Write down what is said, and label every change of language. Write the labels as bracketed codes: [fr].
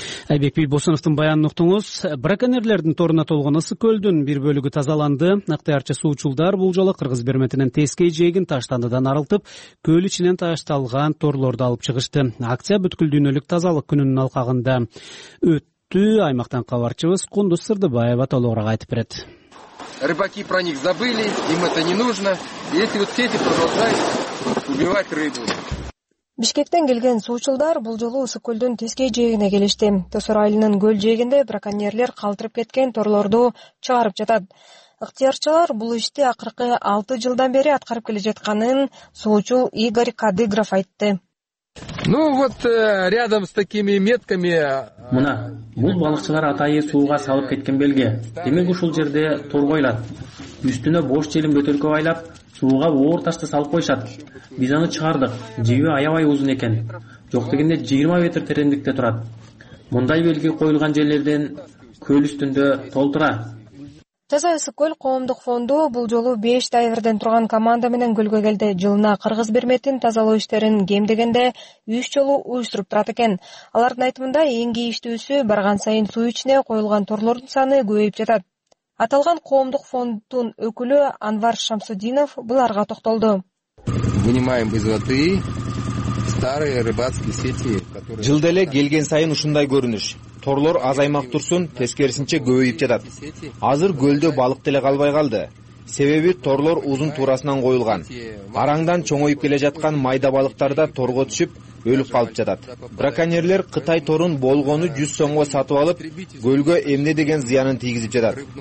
[ky] Айбек Бийбосуновдун баянын уктуңуз. Браконьерлердин торуна толгон ысык көлдүн бир бөлүгү тазаланды. Актыярчы суучулдар бул жолу кыргыз берметинен тескей жээгин таштандыдан арылтып, көл ичинен ташталган торлорду алып чыгышты. Акция бүткүл дүйнөлүк тазалык күнүнүн алкагында өт. Аймактан кабарчыбыз Кундуз Сырдыбаева толугураак айтып берет. [ru] Рыбаки про них забыли, им это не нужно. И эти вот сети продолжают убивать рыбу. [ky] Бишкектен келген суучулдар бул жолу ысык көлдүн тескей жээгине келишти. Төсөр айылынын көл жээгинде браконьерлер калтырып кеткен торлорду чыгарып жатат. Ыктыярчылар бул ишти акыркы 6 жылдан бери аткарып келе жатканын суучул Игорь Кадыгров айтты. [ru] Ну вот рядом с такими метками. [ky] Мына бул балыкчылар атайы сууга салып кеткен белге. Демек ушул жерде тор койлат. Үстүнө бош желим бөтөлкө байлап, сууга оор ташты салып койшат. Биз аны чыгардык. Жиби аябай узун экен. Жок дегенде 20 метр тереңдикте турат. Мындай белги коюлган жерлерден көл үстүндө толтура. Таза ысык көл коомдук фонду бул жолу 5 дайверден турган команда менен көлгө келди. Жылына кыргыз берметин тазалоо иштерин кем дегенде 3 жолу уюштуруп турат экен. Алардын айтымында эң кийиштүүсү барган сайын суу ичине коюлган торлордун саны көбөйүп жатат. Аталган коомдук фонддун өкүлү Анвар Шамсудинов буларга токтолду. [ru] Вынимаем из воды старые рыбацкие сети, которые [ky] жылда эле келген сайын ушундай көрүнүш. Торлор аз аймак турсун, тескерисинче көбөйүп жатат. Азыр көлдө балык деле калбай калды. Себеби торлор узун туурасынан коюлган. Араңдан чоңоюп келе жаткан майда балыктар да торго түшүп, өлүп калып жатат. Браконьерлер Кытай торун болгону 100 сомго сатып алып, көлгө эмне деген зыянын тийгизип жатат.